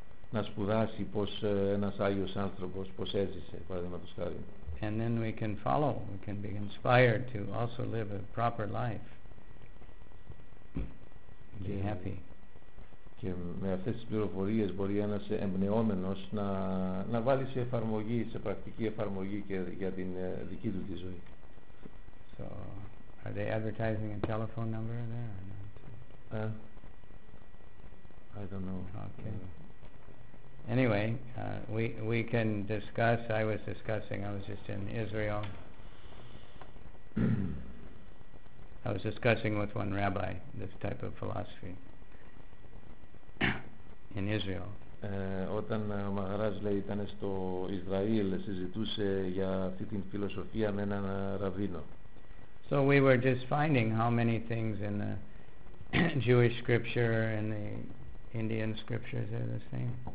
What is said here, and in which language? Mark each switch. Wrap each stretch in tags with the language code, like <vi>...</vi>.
<el>Να σπουδάσει πως ένας Άγιος άνθρωπος, πως έζησε, παραδείγματος χάρη.</el> <en>And then we can follow, we can be inspired to also live a proper life. Be happy.</en> <el>Και με αυτές τις πληροφορίες μπορεί ένας εμπνεόμενος να βάλει σε εφαρμογή, σε πρακτική εφαρμογή και για την δική του τη ζωή.</el> <en>So, are they advertising a telephone number there or not? I don't know. Okay. Anyway, we can discuss. I was discussing. I was just in Israel. I was discussing with one rabbi this type of philosophy in Israel.</en> <el>Όταν ο Μαχαράζ λέει ήταν στο Ισραήλ, συζητούσε για αυτή την φιλοσοφία με έναν ραβίνο.</el> <en>So we were just finding how many things in the Jewish scripture and the Indian scriptures are the same.</en>